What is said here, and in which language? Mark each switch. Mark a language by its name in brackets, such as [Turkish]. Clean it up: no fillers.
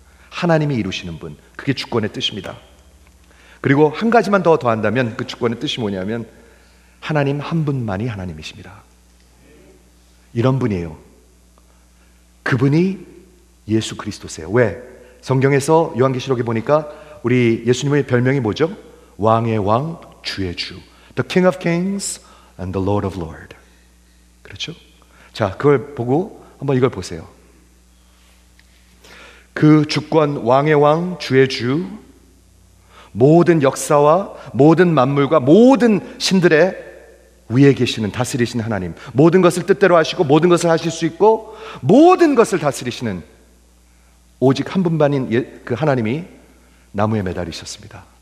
[Korean] 하나님이 이루시는 분. 그게 주권의 뜻입니다. 그리고 한 가지만 더 더한다면 그 주권의 뜻이 뭐냐면 하나님 한 분만이 하나님이십니다. 이런 분이에요. 그분이 예수 그리스도세요. 왜? 성경에서 요한계시록에 보니까 우리 예수님의 별명이 뭐죠? 왕의 왕, 주의 주. [English] The King of Kings and the Lord of Lords. [Korean] 그렇죠? 자, 그걸 보고 한번 이걸 보세요. 그 주권 왕의 왕, 주의 주. 모든 역사와 모든 만물과 모든 신들의 위에 계시는 다스리신 하나님 모든 것을 뜻대로 하시고 모든 것을 하실 수 있고 모든 것을 다스리시는 오직 한 분만인 그 하나님이 나무에 매달리셨습니다.